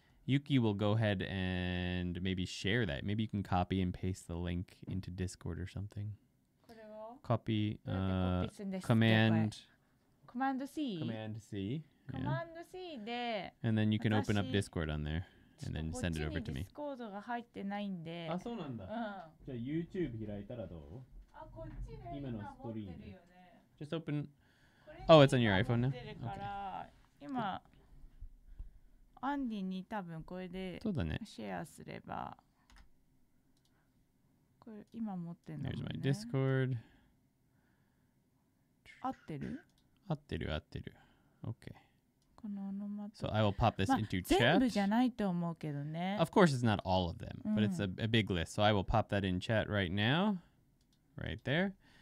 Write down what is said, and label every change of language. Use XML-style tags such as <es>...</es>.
<en>Yuki will go ahead and maybe share that. Maybe you can copy and paste the link into Discord or something. Copy, Command C. Command C. Yeah. Command C. で、 and then you can open up Discord on there and then send it over to me.</en> <ja>こっちにディスコードが入ってないんで。あ、そうなんだ。じゃあ YouTube 開いたらどう？あ、こっちで今のスクリーン。</ja> <en>Just open. Oh, it's on your iPhone now. Okay.</en> <ja>今。アンディに多分これでシェアすれば、ね、これ今持ってんのね。</ja> <en>There's my Discord.</en> <ja>合ってる？合ってる合ってる。OK。このオノマト。</ja> <en>So I will pop this into chat.</en> <ja>全部じゃないと思うけどね。</ja> <en>Of course it's not all of them, but it's a big list. So I will pop that in chat right now. Right there.</en>